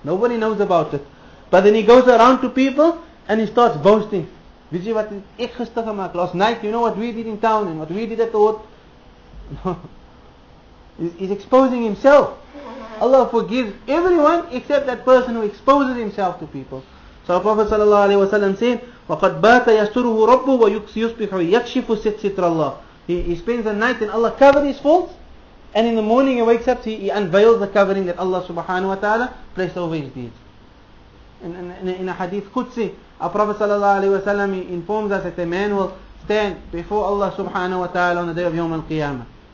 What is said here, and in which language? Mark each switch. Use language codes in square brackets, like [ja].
[en] Nobody knows about it. But then he goes around to people and he starts boasting. Last night, you know what we did in town and what we did at the hotel? He's exposing himself. Allah forgives everyone except that person who exposes himself to people. So our Prophet sallallahu alaihi wasallam said, [ar] وَقَدْ بَاتَ يَسْتُرُهُ رَبُّهُ وَيُكْسِيُصْبِحُهُ يَكْشِفُ سِتْرَ اللَّهِ. [en] He spends the night and Allah covered his faults, and in the morning he wakes up, he unveils the covering that Allah subhanahu wa ta'ala placed over his deeds. In a hadith Qudsi, our Prophet sallallahu alaihi wasallam informs us that a man will stand before Allah subhanahu wa ta'ala on the day of Yawm al-Qiyamah.